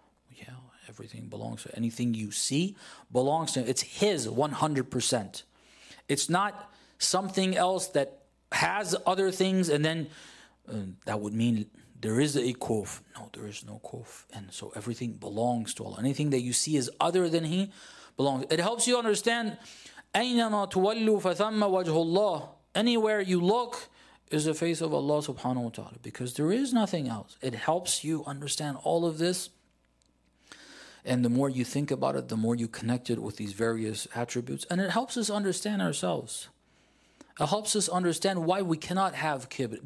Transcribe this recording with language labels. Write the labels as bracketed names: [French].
[English] Yeah, everything belongs to, anything you see belongs to Him. It's His 100%. It's not something else that has other things and then that would mean there is a kuf. No, there is no kuf. And so everything belongs to Allah. Anything that you see is other than He belongs. It helps you understand, [Arabic] أَيْنَمَا تُوَلُّوا فَثَمَّ وَجْهُ اللَّهِ. [English] Anywhere you look is the face of Allah subhanahu wa ta'ala. Because there is nothing else. It helps you understand all of this. And the more you think about it, the more you connect it with these various attributes. And it helps us understand ourselves. It helps us understand why we cannot have kibr.